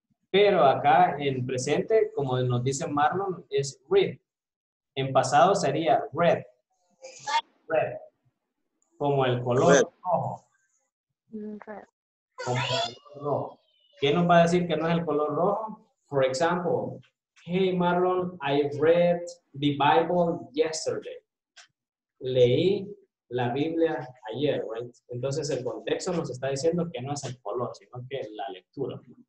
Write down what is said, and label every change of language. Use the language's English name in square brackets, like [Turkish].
[Spanish] Pero acá, en presente, como nos dice Marlon, es read. En pasado sería red. Red. Como el color [English] red. [Spanish] Rojo. Como el color rojo. ¿Qué nos va a decir que no es el color rojo? [English] For example, hey Marlon, I read the Bible yesterday. [Spanish] Leí la Biblia ayer, right? Entonces el contexto nos está diciendo que no es el color, sino que la lectura.